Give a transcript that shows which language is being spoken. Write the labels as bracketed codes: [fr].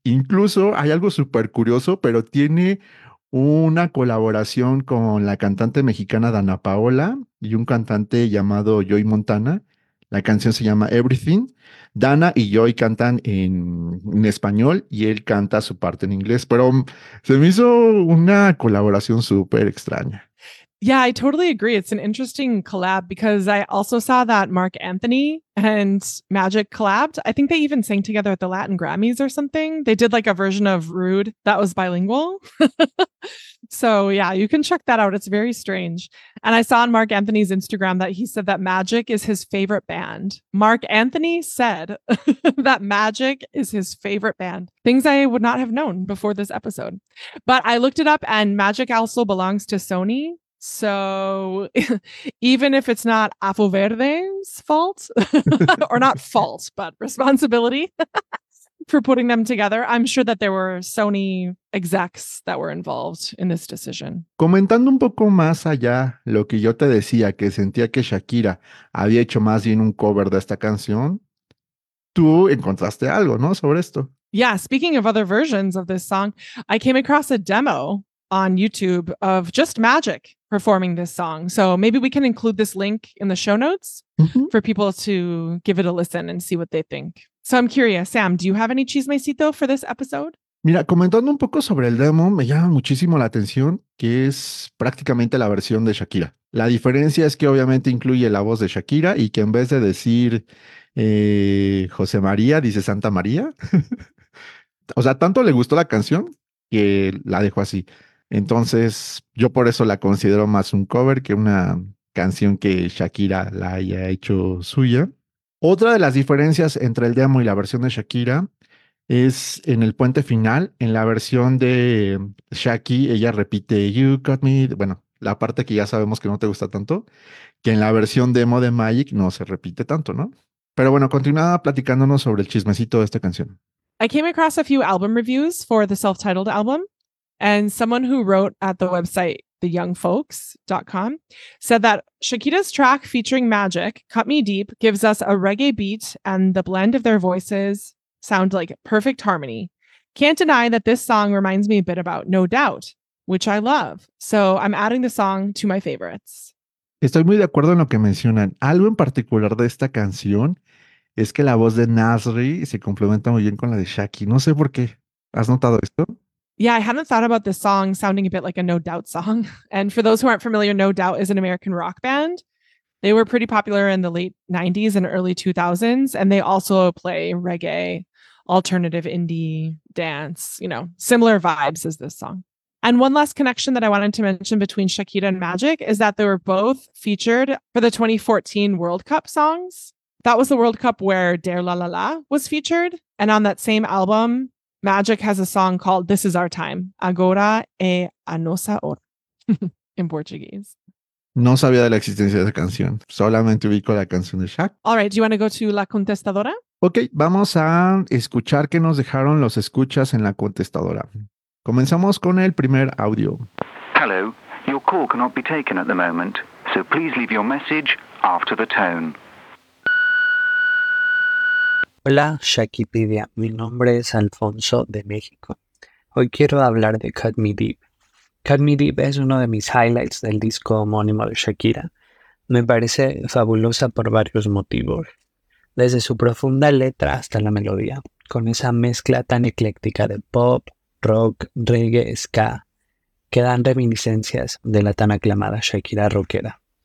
[es] Incluso hay algo súper curioso, pero tiene una colaboración con la cantante mexicana Dana Paola y un cantante llamado Joey Montana. La canción se llama Everything. Dana y Joy cantan en español y él canta su parte en inglés, pero se me hizo una colaboración súper extraña. [en] Yeah, I totally agree. It's an interesting collab because I also saw that Mark Anthony and Magic collabed. I think they even sang together at the Latin Grammys or something. They did like a version of Rude that was bilingual. So yeah, you can check that out. It's very strange. And I saw on Mark Anthony's Instagram that he said that Magic is his favorite band. Mark Anthony said that Magic is his favorite band. Things I would not have known before this episode. But I looked it up and Magic also belongs to Sony. So even if it's not Afoverde's fault, or not fault, but responsibility for putting them together, I'm sure that there were Sony execs that were involved in this decision. [es] Comentando un poco más allá, lo que yo te decía, que sentía que Shakira había hecho más bien un cover de esta canción, tú encontraste algo, ¿no? Sobre esto. [en] Yeah, speaking of other versions of this song, I came across a demo on YouTube of just Magic performing this song. So maybe we can include this link in the show notes for people to give it a listen and see what they think. So I'm curious, Sam, do you have any chismecito for this episode? [es] Mira, comentando un poco sobre el demo, me llama muchísimo la atención que es prácticamente la versión de Shakira. La diferencia es que obviamente incluye la voz de Shakira y que en vez de decir José María, dice Santa María. O sea, tanto le gustó la canción que la dejó así. Entonces, yo por eso la considero más un cover que una canción que Shakira la haya hecho suya. Otra de las diferencias entre el demo y la versión de Shakira es en el puente final. En la versión de Shaki, ella repite You Got Me, bueno, la parte que ya sabemos que no te gusta tanto, que en la versión demo de Magic no se repite tanto, ¿no? Pero bueno, continúa platicándonos sobre el chismecito de esta canción. [en] I came across a few album reviews for the self-titled album, and someone who wrote at the website theyoungfolks.com said that Shakira's track featuring Magic, Cut Me Deep, gives us a reggae beat and the blend of their voices sound like perfect harmony. Can't deny that this song reminds me a bit about No Doubt, which I love. So I'm adding the song to my favorites. [es] Estoy muy de acuerdo en lo que mencionan. Algo en particular de esta canción es que la voz de Nasri se complementa muy bien con la de Shaki. No sé por qué. ¿Has notado esto? [en] Yeah, I hadn't thought about this song sounding a bit like a No Doubt song. And for those who aren't familiar, No Doubt is an American rock band. They were pretty popular in the late 90s and early 2000s. And they also play reggae, alternative indie dance, you know, similar vibes as this song. And one last connection that I wanted to mention between Shakira and Magic is that they were both featured for the 2014 World Cup songs. That was the World Cup where Dare La La La was featured. And on that same album, Magic has a song called This Is Our Time, Agora e a Nossa Hora, in Portuguese. [es] No sabía de la existencia de esa canción. Solamente ubico la canción de Shaq. [en] All right, do you want to go to La Contestadora? [es] Ok, vamos a escuchar qué nos dejaron los escuchas en La Contestadora. Comenzamos con el primer audio. [en] Hello, your call cannot be taken at the moment, so please leave your message after the tone. [es] Hola, Shakipedia. Mi nombre es Alfonso, de México. Hoy quiero hablar de Cut Me Deep. Cut Me Deep es uno de mis highlights del disco homónimo de Shakira. Me parece fabulosa por varios motivos. Desde su profunda letra hasta la melodía, con esa mezcla tan ecléctica de pop, rock, reggae, ska, que dan reminiscencias de la tan aclamada Shakira rockera.